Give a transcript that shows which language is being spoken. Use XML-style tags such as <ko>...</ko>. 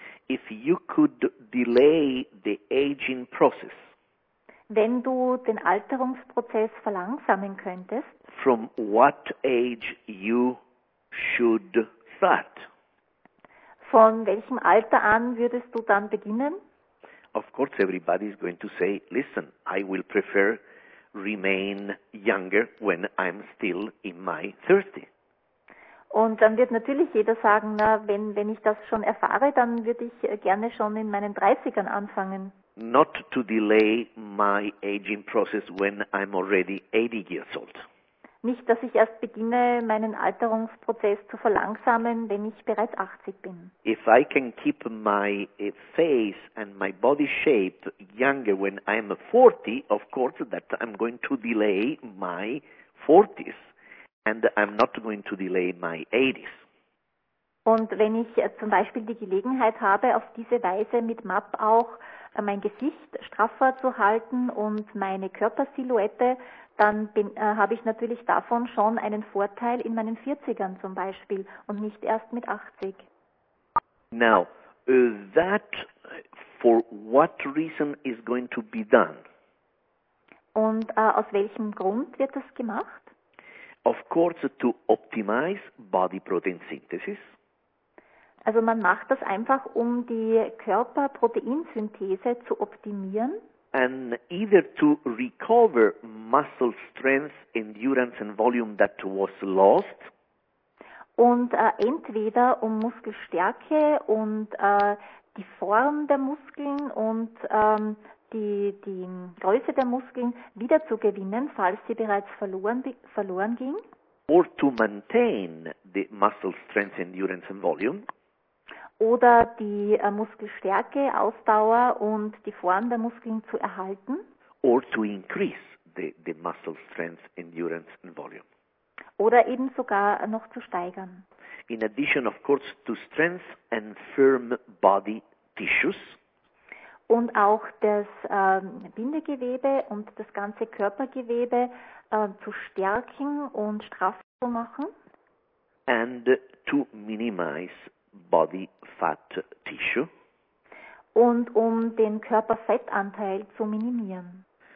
<en>if you could delay the aging process,</en> <de>wenn du den Alterungsprozess verlangsamen könntest,</de> <en>from what age you should start?</en> <de>Von welchem Alter an würdest du dann beginnen?</de> <en>Of course everybody is going to say, listen, I will prefer remain younger when I'm still in my 30.</en> <de>Und dann wird natürlich jeder sagen, na, wenn ich das schon erfahre, dann würde ich gerne schon in meinen 30ern anfangen.</de> <en>Not to delay my aging process when I'm already 80 years old.</en> <de>Nicht, dass ich erst beginne, meinen Alterungsprozess zu verlangsamen, wenn ich bereits 80 bin.</de> <en>If I can keep my face and my body shape younger when I'm 40, of course that I'm going to delay my 40s. And I'm not going to delay my 80s.</en> <de>Und wenn ich zum Beispiel die Gelegenheit habe, auf diese Weise mit MAP auch mein Gesicht straffer zu halten und meine Körpersilhouette, dann habe ich natürlich davon schon einen Vorteil in meinen 40ern zum Beispiel und nicht erst mit 80.</de> <en>Now, that for what reason is going to be done?</en> <de>Und aus welchem Grund wird das gemacht?</de> <en>Of course, to optimize body protein synthesis.</en> <de>Also man macht das einfach, um die Körperproteinsynthese zu optimieren.</de> <en>And either to recover muscle strength, endurance and volume that was lost.</en> <de>Und entweder um Muskelstärke und die Form der Muskeln und die Größe der Muskeln wieder zu gewinnen, falls sie bereits verloren ging.</de> <en>Or to maintain the muscle strength, endurance and volume.</en> <de>Oder die Muskelstärke, Ausdauer und die Form der Muskeln zu erhalten.</de> <en>Or to increase the muscle strength, endurance and volume.</en> <de>Oder eben sogar noch zu steigern.</de> <en>In addition, of course, to strength and firm body tissues.</en> <de>Und auch das Bindegewebe und das ganze Körpergewebe zu stärken und straff zu machen.</de> <en>And to minimize body fat tissue.</en> <de>und um den Körperfettanteil zu minimieren.</de>